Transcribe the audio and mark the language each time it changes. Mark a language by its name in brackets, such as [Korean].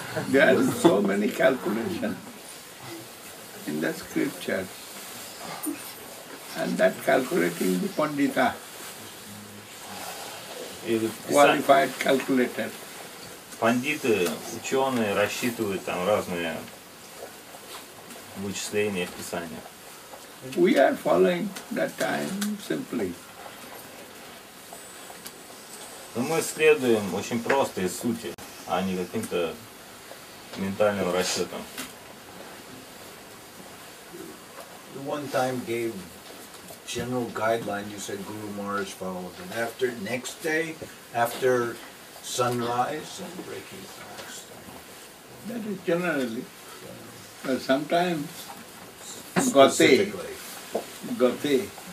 [English] There are so many calculations in the scriptures, and that calculating the pandita, qualified calculator. [Russian] Пандиты, ученые рассчитывают там разные вычисления в писании. [English] We are following that time simply. [Russian] Но мы следуем очень просто из сути, а не каким-то ментальным расчетом. [English] You one time gave general guideline, you said Guru Maharaj followed, and after next day, after sunrise and breaking fast. That is generally. But sometimes, Gati.